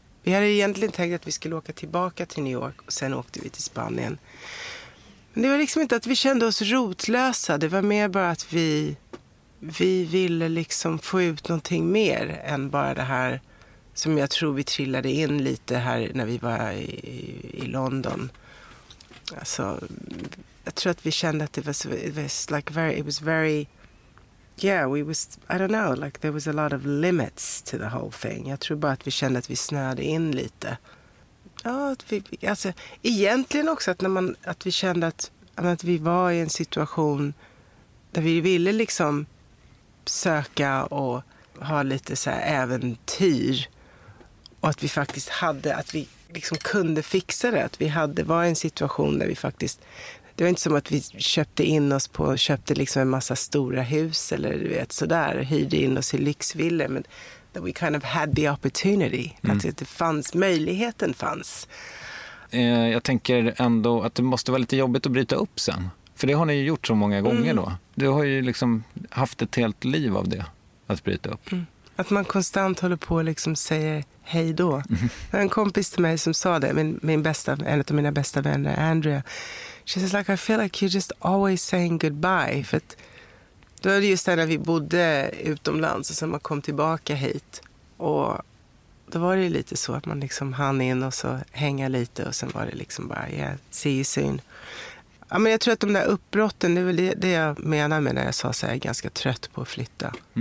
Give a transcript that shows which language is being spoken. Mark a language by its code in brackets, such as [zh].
[sv] Vi hade egentligen tänkt att vi skulle åka tillbaka till New York och sen åkte vi till Spanien. Men det var liksom inte att vi kände oss rotlösa. Det var mer bara att vi ville liksom få ut någonting mer än bara det här som jag tror vi trillade in lite här när vi var i London. Alltså, jag tror att vi kände att [en] it was very yeah, we was, I don't know, like there was a lot of limits to the whole thing. [sv] Jag tror bara att vi kände att vi snöade in lite. Ja, att vi, alltså egentligen också att när man, att vi kände att vi var i en situation där vi ville liksom söka och ha lite så här äventyr, och att vi faktiskt hade, att vi liksom kunde fixa det, att vi hade, var i en situation där vi faktiskt... Det var inte som att vi köpte in oss på, köpte liksom en massa stora hus eller du vet sådär, hyrde in oss i lyxvillor, men [en] that we kind of had the opportunity, [sv] att det fanns, möjligheten fanns. Jag tänker ändå att det måste vara lite jobbigt att bryta upp sen, för det har ni ju gjort så många gånger då. Du har ju liksom haft ett helt liv av det, att bryta upp. Att man konstant håller på och liksom säger hej då. En kompis till mig som sa det, min bästa, en av mina bästa vänner, Andrea. [en] She says like, I feel like you're just always saying goodbye. [sv] För att då är det just där när vi bodde utomlands och sen man kom tillbaka hit. Och då var det lite så att man liksom hann in och så hänga lite och sen var det liksom bara, [en] yeah, see you soon. [sv] Ja, men jag tror att de där uppbrotten, det är väl det jag menar med när jag sa så här, jag är ganska trött på att flytta.